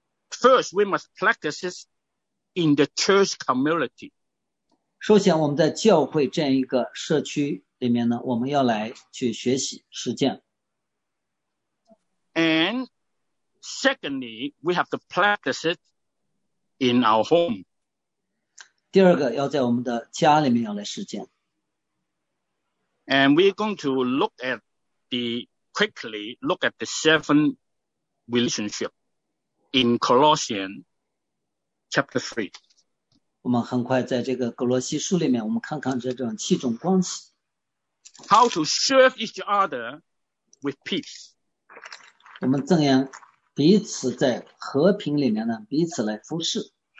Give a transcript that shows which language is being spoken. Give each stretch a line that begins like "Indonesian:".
Chinese: 可以听到吗？
English: Could you repeat? Yes. First, we must practice this in the church community.
Chinese: 首先我们在教会这样一个社区里面呢，我们要来去学习实践。
English: And secondly, we have to practice it in our home.
Chinese: 第二个要在我们的家里面要来实践。
English: And we're going to look at the seven relationship in Colossians chapter 3.
Chinese: 我们很快在这个格罗西书里面，我们看看这种七种关系。
English: How to serve each other with peace.
Chinese: 我们怎样彼此在和平里面呢，彼此来服侍。